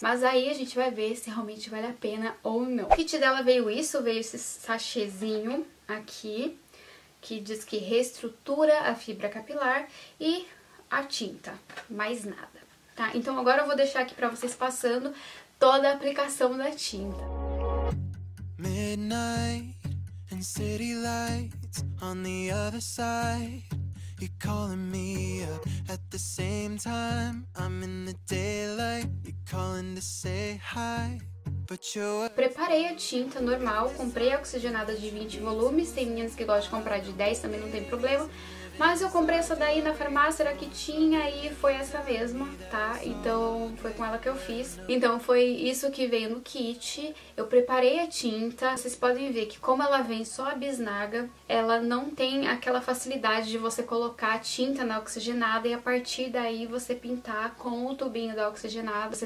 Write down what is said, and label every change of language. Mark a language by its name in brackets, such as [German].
[Portuguese] Mas aí a gente vai ver se realmente vale a pena ou não. O kit dela veio isso, veio esse sachêzinho aqui, que diz que reestrutura a fibra capilar e a tinta, mais nada, tá? Então agora eu vou deixar aqui pra vocês passando toda a aplicação da tinta. [English] Midnight and city lights on the other side. You're calling me up at the same time. I'm in the daylight, you're calling to say hi. [Portuguese] Preparei a tinta normal, comprei a oxigenada de 20 volumes. Tem meninas que gostam de comprar de 10, também não tem problema. Mas eu comprei essa daí na farmácia, era que tinha e foi essa mesma, tá? Então foi com ela que eu fiz. Então foi isso que veio no kit. Eu preparei a tinta. Vocês podem ver que, como ela vem só a bisnaga, ela não tem aquela facilidade de você colocar a tinta na oxigenada e a partir daí você pintar com o tubinho da oxigenada.